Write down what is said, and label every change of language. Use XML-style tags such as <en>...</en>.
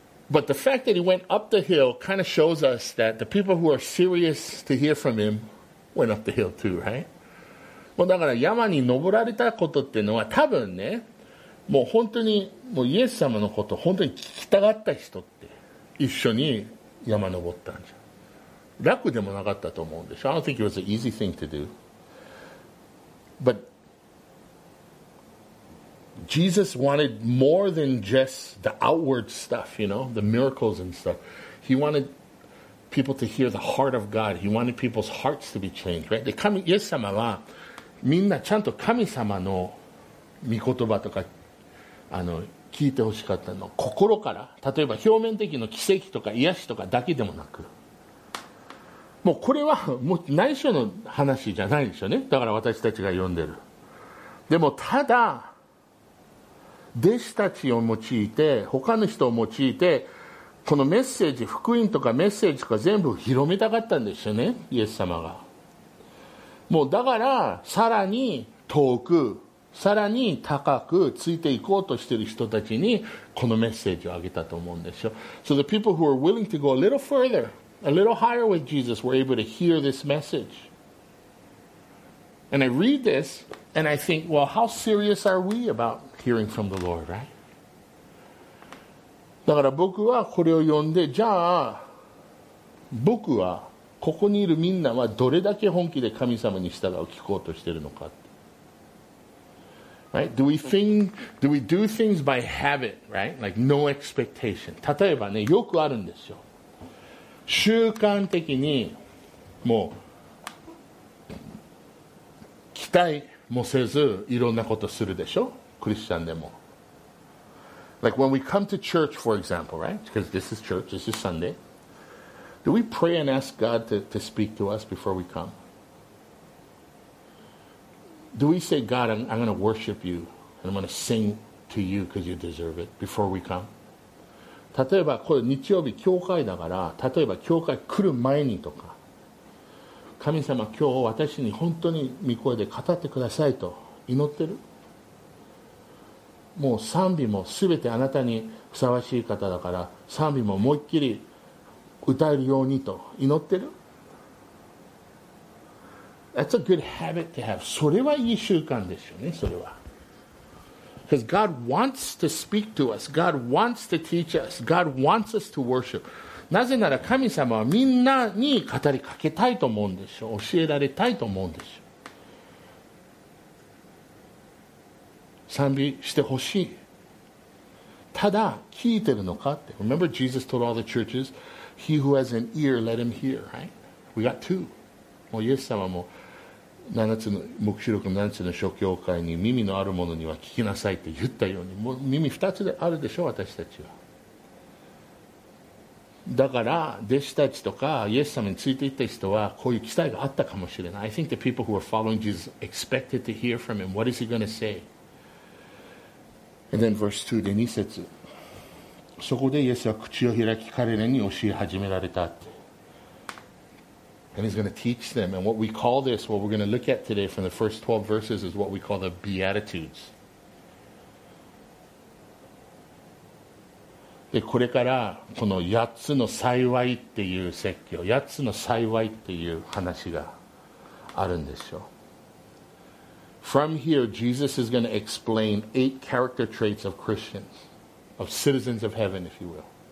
<en>But the fact that he went up the hill kind of shows us that the people who are serious to hear from him went up the hill too, right?</en> <ja>もうだから山に登られたことっていうのは多分ね、もう本当にもうイエス様のことを本当に聞きたかった人って一緒に山登ったんじゃん。楽でもなかったと思うんでしょ。</ja> <en>I don't think it was an easy thing to do. But Jesus wanted more than just the outward stuff, you know, the miracles and stuff. He wanted people to hear the heart of God. He wanted people's hearts to be changed, right?</en> <ja>イエス様はみんなちゃんと神様の御言葉とか聞いてほしかったの。心から、例えば表面的な奇跡とか癒しとかだけでもなく、もうこれはもう内緒の話じゃないでしょうね。だから私たちが読んでる。でもただ弟子たちを用いて、他の人を用いて、このメッセージ、福音とかメッセージとか全部広めたかったんですよね、イエス様が。もうだからさらに遠く、さらに高くついていこうとしている人たちにこのメッセージをあげたと思うんですよ。</ja> <en>So the people who are willing to go a little further, a little higher with Jesus were able to hear this message. And I read this and I think, well, how serious are we about hearing from the Lord, right?</en> <ja>だから僕はこれを読んで、じゃあ僕はここにいるみんなはどれだけ本気で神様に従う聞こうとしているのか。</ja> <en>Right? Do we do things by habit, right? Like no expectation.</en> <ja>例えばね、よくあるんですよ。習慣的にもう期待もせずいろんなことするでしょ、クリスチャンでも。</ja> <en>Like when we come to church, for example, right? Because this is church, this is Sunday. Do we pray and ask God to speak to us before we come? Do we say, God, I'm going to worship you and I'm going to sing to you because you deserve it before we come?</en> <ja>例えばこれ日曜日教会だから、例えば教会来る前にとか、神様今日私に本当に御声で語ってくださいと祈ってる。もう賛美も全てあなたにふさわしい方だから、賛美も思いっきり歌えるようにと祈ってる。</ja> <en>That's a good habit to have.</en> <ja>それはいい習慣ですよね。それは</ja> <en>Because God wants to speak to us. God wants to teach us. God wants us to worship.</en> <ja>なぜなら神様はみんなに語りかけたいと思うんでしょう。教えられたいと思うんでしょう。賛美してほしい。ただ聞いてるのかって。</ja> <en>Remember Jesus told all the churches, he who has an ear, let him hear, right? We got two.</en> <ja>もうイエス様も7つの黙示録の7つの諸教会に耳のある者には聞きなさいって言ったように、もう耳2つであるでしょ、私たちは。だから弟子たちとかイエス様についていった人はこういう期待があったかもしれない。</ja> <en>I think the people who were following Jesus expected to hear from him. What is he going to say? And then verse 2,</en> <ja>で2節。そこでイエスは口を開き彼らに教え始められたって。</ja> <en>And he's going to teach them. And what we call this, what we're going to look at today from the first 12 verses is what we call the Beatitudes.</en> <ja>で、これからこの8つの幸いっていう説教、8つの幸いっていう話があるんですよ。</ja> <en>From here, Jesus is going to explain 8 character traits of Christians, of citizens of heaven, if you will.</en>